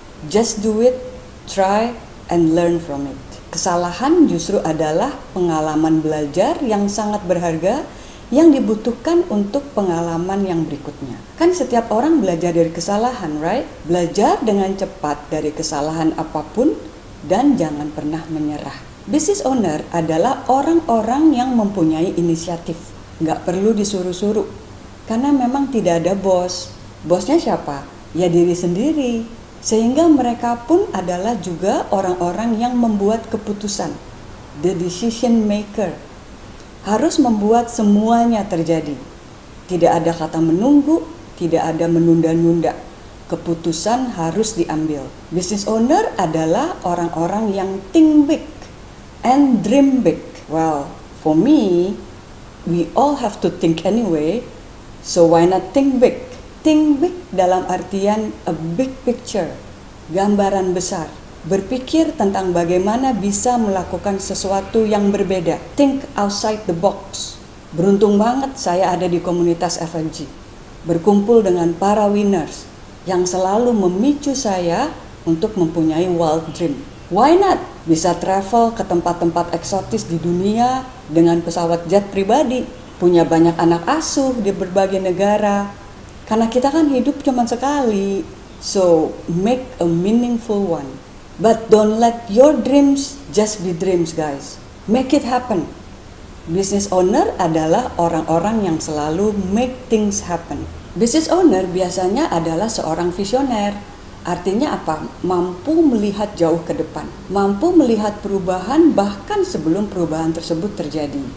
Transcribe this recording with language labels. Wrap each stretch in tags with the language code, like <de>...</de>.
<en>Just do it, try, and learn from it.</en> <id>Kesalahan justru adalah pengalaman belajar yang sangat berharga yang dibutuhkan untuk pengalaman yang berikutnya. Kan setiap orang belajar dari kesalahan, right? Belajar dengan cepat dari kesalahan apapun dan jangan pernah menyerah. Business owner adalah orang-orang yang mempunyai inisiatif. Nggak perlu disuruh-suruh. Karena memang tidak ada bos. Bosnya siapa? Ya diri sendiri. Sehingga mereka pun adalah juga orang-orang yang membuat keputusan.</id> <en>The decision maker.</en> <id>Harus membuat semuanya terjadi. Tidak ada kata menunggu, tidak ada menunda-nunda. Keputusan harus diambil. Business owner adalah orang-orang yang</id> <en>think big. And dream big. Well, for me, we all have to think anyway, so why not think big? Think big</en> <id>dalam artian</id> <en>a big picture,</en> <id>gambaran besar. Berpikir tentang bagaimana bisa melakukan sesuatu yang berbeda.</id> <en>Think outside the box.</en> <id>Beruntung banget saya ada di komunitas FNG, berkumpul dengan para winners yang selalu memicu saya untuk mempunyai</id> <en>wild dream. Why not?</en> <id>Bisa travel ke tempat-tempat eksotis di dunia dengan pesawat jet pribadi. Punya banyak anak asuh di berbagai negara. Karena kita kan hidup cuma sekali.</id> <en>So, make a meaningful one. But don't let your dreams just be dreams, guys. Make it happen.</en> <id>Business owner adalah orang-orang yang selalu</id> <en>make things happen.</en> <id>Business owner biasanya adalah seorang visioner. Artinya apa? Mampu melihat jauh ke depan. Mampu melihat perubahan bahkan sebelum perubahan tersebut terjadi.</id>